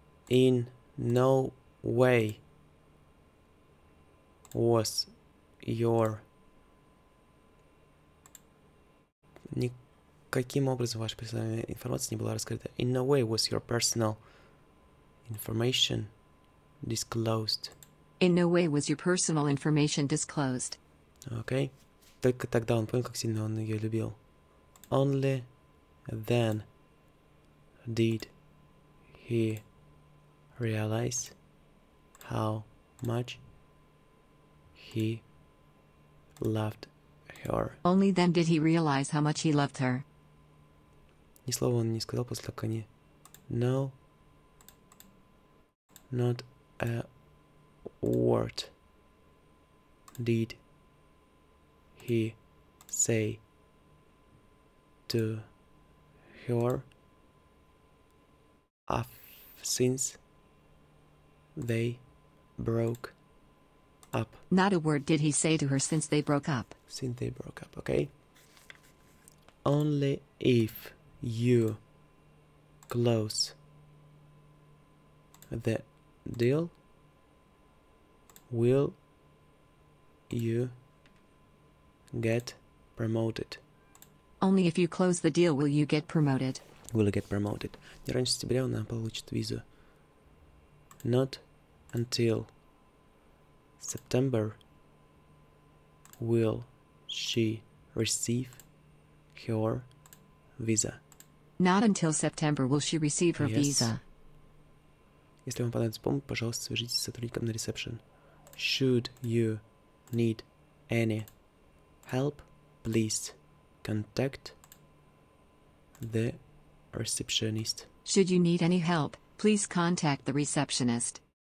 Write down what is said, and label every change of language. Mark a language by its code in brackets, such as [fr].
[en] In no way was your... [ru] Никаким образом ваша персональная информация не была раскрыта. [en] In no way was your personal information disclosed. In no way was your personal information disclosed. Okay. [ru] Только тогда он понял, как сильно он ее любил. [en] Only then did he realize how much he loved her. Only then did he realize how much he loved her. [ru] Ни слова он не сказал после того, как они... [en] No, not a word did he say to her since they broke up. Not a word did he say to her since they broke up. Since they broke up, okay? Only if you close the deal will you get promoted. Only if you close the deal will you get promoted. Will get promoted. [ru] Не раньше сентября она получит визу. [en] Not until September will she receive her visa. Not until September will she receive her visa. [ru] Если вам понадобится помощь, пожалуйста, свяжитесь с сотрудником на ресепшн. [en] Should you need any help, please contact the receptionist. Should you need any help, please contact the receptionist.